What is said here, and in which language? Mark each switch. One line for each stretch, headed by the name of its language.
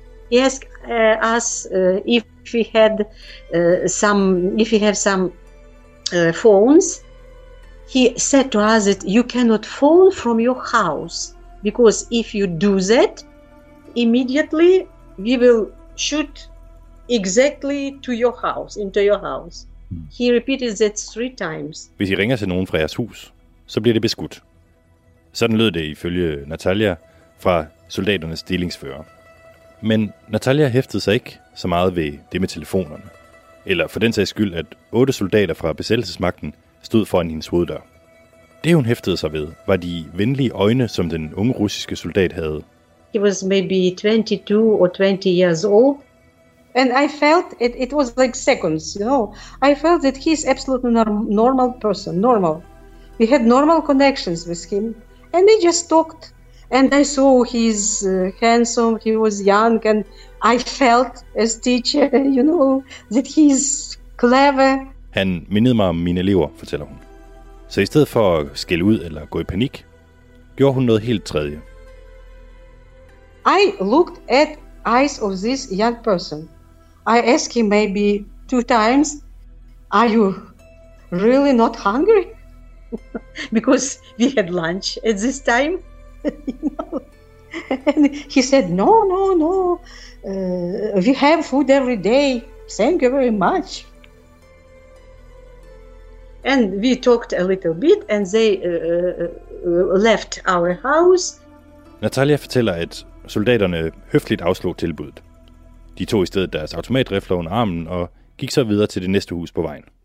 English: He asked us if we have some phones. He said to us that you cannot phone from your house, because if you do that, immediately we will shoot exactly to your house, into your house. He repeated that 3 times.
Danish: Hvis I ringer til nogen fra jeres hus, så bliver det beskudt. Sådan lød det ifølge Natalia fra soldaternes delingsfører. Men Natalia hæftede sig ikke så meget ved det med telefonerne. Eller for den sags skyld, at 8 soldater fra besættelsesmagten stod foran hendes hoveddør. Det hun hæftede sig ved, var de venlige øjne, som den unge russiske soldat havde.
English: He was maybe 22 or 20 years old, and I felt it was like seconds, you know. I felt that he is absolutely normal person, normal. We had normal connections with him, and they just talked. And I saw he's handsome, he was young, and I felt as teacher, you know, that he's clever.
Danish: Han mindede mig om mine elever, fortæller hun. Så i stedet for at skille ud eller gå i panik, gjorde hun noget helt tredje.
English: I looked at eyes of this young person. I asked him maybe two times, are you really not hungry? Because we had lunch at this time. And he said, no, we have food every day. Thank you very much. And we talked a little bit and they left our house.
Danish: Natalia fortæller, at soldaterne høfligt afslog tilbuddet. De tog i stedet deres automatrifler under armen og gik så videre til det næste hus på vejen.